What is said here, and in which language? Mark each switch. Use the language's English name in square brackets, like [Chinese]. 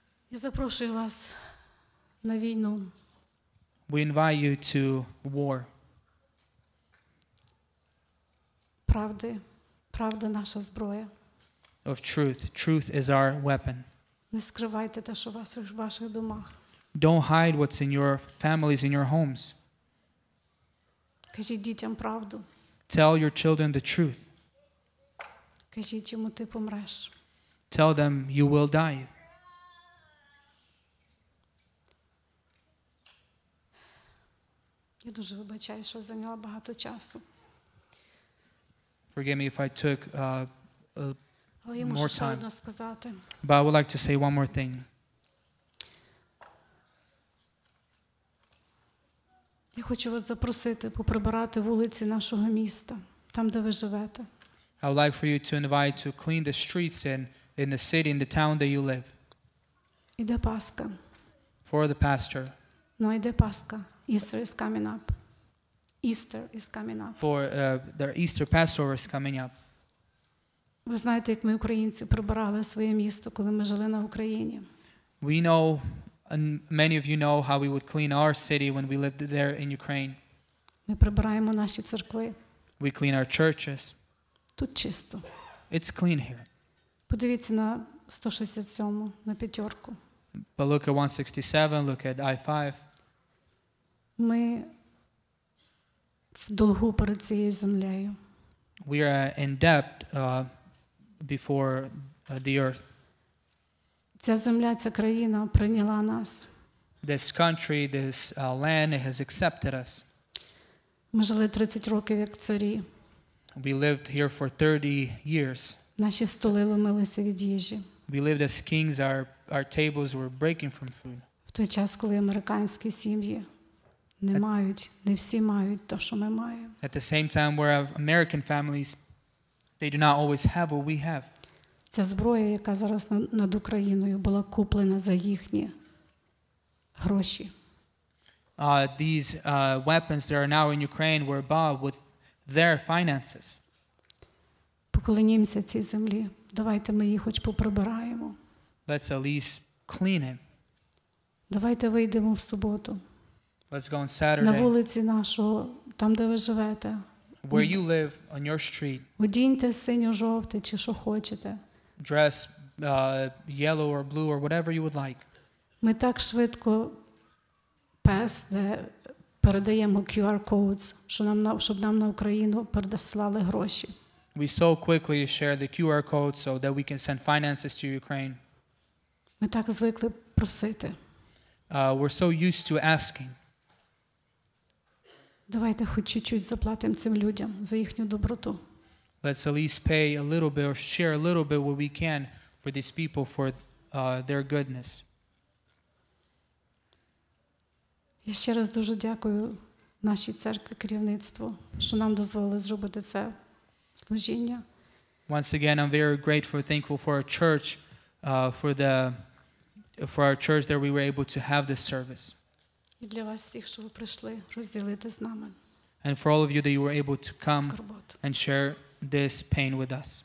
[Ukrainian] Я запрошую вас на війну. [English] We invite you to war. [Ukrainian] Правди. Правда – наша зброя. [English] Of truth. Truth is our weapon. [Ukrainian] Не скривайте те, що у ваших домах. [English] Don't hide what's in your families, in your homes. [Ukrainian] Кажіть дітям правду. [English] Tell your children the truth. [Ukrainian] Кажіть йому, ти помреш. [English] Tell them you will die. [Ukrainian] Я дуже вибачаю, що зайняла багато часу. [English] Forgive me if I took more time. [Ukrainian] Сказати. [English] But I would like to say one more thing. [Ukrainian] Я хочу вас запросити поприбирати вулиці нашого міста, там, де ви живете. [English] I would like for you to invite to clean the streets in the city, in the town that you live. [Ukrainian] Іде Пасха. [English] For the pastor. [Ukrainian] Ну, іде Пасха. [English] Easter is coming up. [Ukrainian] Easter is coming up. [English] For their Easter Passover is coming up. [Ukrainian] Ви знаєте, як ми українці прибирали своє місто, коли ми жили на Україні. [English] We know, and many of you know, how we would clean our city when we lived there in Ukraine. [Ukrainian] Ми прибираємо наші церкви. [English] We clean our churches. [Ukrainian] Тут чисто. [English] It's clean here. [Ukrainian] Подивіться на 167-му, на п'ятерку. [English] But look at 167, look at I-5. [Ukrainian] Ми в долгу перед цією землею. [English] We are in debt before the earth. [Ukrainian] Ця земля, ця країна прийняла нас. [English] This country, this land, it has accepted us. [Ukrainian] Ми жили 30 років як царі. [English] We lived here for 30 years. [Ukrainian] Наші столи ломилися від їжі. [English] We lived as kings, our tables were breaking from food. [Ukrainian] В той час, коли американські сім'ї не мають, не всі мають то, що ми маємо. [English] At the same time, where American families, they do not always have what we have. [Ukrainian] Ця зброя, яка зараз над Україною, була куплена за їхні гроші. [English] These weapons that are now in Ukraine were bought with their finances. [Ukrainian] Поклонімся цій землі. Давайте ми її хоч поприбираємо. [English] Let's at least clean it. [Ukrainian] Давайте вийдемо в суботу. [English] Let's go on Saturday. [Ukrainian] На вулиці нашого, там, де ви живете. [English] Where you live, on your street. [Ukrainian] Одіньте синьо-жовте, чи що хочете. [English] Dress yellow or blue or whatever you would like. [Ukrainian] Ми так швидко пес, де передаємо QR codes, щоб нам на Україну передослали гроші. [English] We so quickly share the QR code so that we can send finances to Ukraine. [Ukrainian] Ми так звикли просити. [English] We're so used to asking. [Ukrainian] Давайте хоч чуть-чуть заплатимо цим людям за їхню доброту. [English] Let's at least pay a little bit or share a little bit what we can for these people for their goodness. [Ukrainian] Я ще раз дуже дякую нашій церкві, керівництву, що нам дозволили зробити це служіння. [English] Once again, I'm very grateful, thankful for our church, for our church that we were able to have this service. [Ukrainian] І для вас всіх, що ви прийшли розділити з нами. [English] And for all of you that you were able to come and share this pain with us.